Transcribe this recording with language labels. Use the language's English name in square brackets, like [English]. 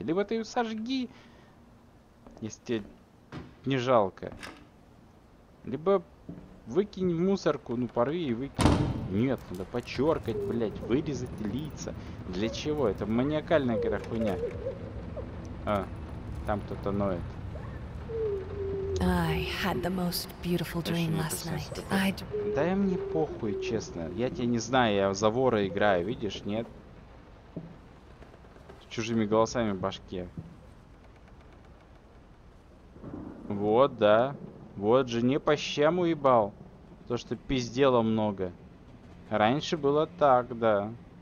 [Russian] Либо ты ее сожги, если тебе не жалко. Либо выкинь в мусорку, ну порви и выкинь. Нет, надо подчеркать, блядь, вырезать лица. Для чего? Это маниакальная какая-то хуйня. А, там кто-то ноет. [English] I had the most beautiful dream last night. [Russian] Да я мне похуй, честно. Я тебя не знаю, я за вора играю, видишь, нет? С чужими голосами в башке. Вот, да. Вот же не по щам уебал. То, что пиздело много. Раньше было так, да.